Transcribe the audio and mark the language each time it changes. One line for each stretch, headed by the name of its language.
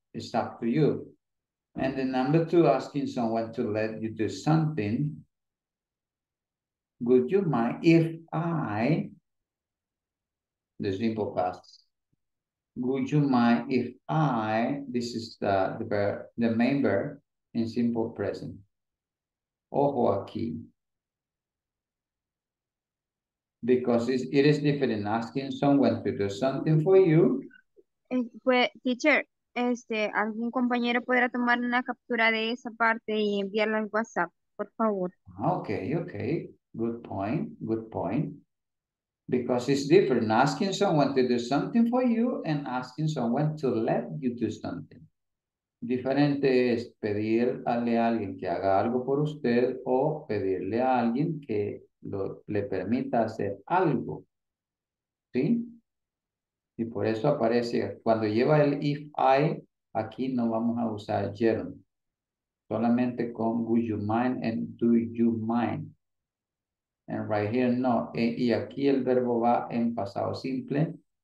English: It's up to you. And the number two, asking someone to let you do something, would you mind if I, the simple past, would you mind if I, this is the main verb in simple present.
Spanish: Ojo aquí.
English: Because it is different asking someone to do something for you.
Spanish: Well, teacher, algún compañero podrá tomar una captura de esa parte y enviarla al WhatsApp, por favor.
English: Okay, okay. Good point, good point. Because it's different asking someone to do something for you and asking someone to let you do something.
Spanish: Diferente es pedirle a alguien que haga algo por usted o pedirle a alguien que le permita hacer algo. ¿Sí? Y por eso aparece, cuando lleva el if I, aquí no vamos a usar gerund. Solamente con
English: would you mind and do you mind. And right here, no.
Spanish: Y aquí el verbo va en pasado simple.